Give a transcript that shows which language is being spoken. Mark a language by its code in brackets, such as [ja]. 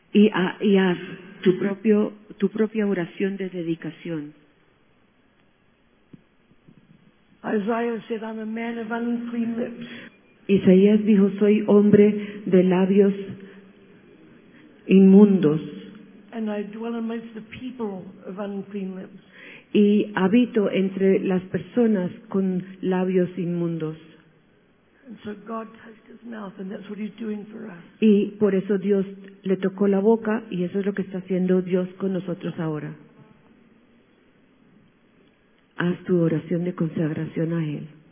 [es] y haz tu propia oración de dedicación. [en] Isaiah said, I'm a man of unclean lips. [es] Isaías dijo, soy hombre de labios inmundos. [en] And I dwell amongst the people of unclean lips. [es] Y habito entre las personas con labios inmundos. [en] And so God touched his mouth, and that's what he's doing for us. [es] Y por eso Dios le tocó la boca, y eso es lo que está haciendo Dios con nosotros ahora. Haz tu oración de consagración a él.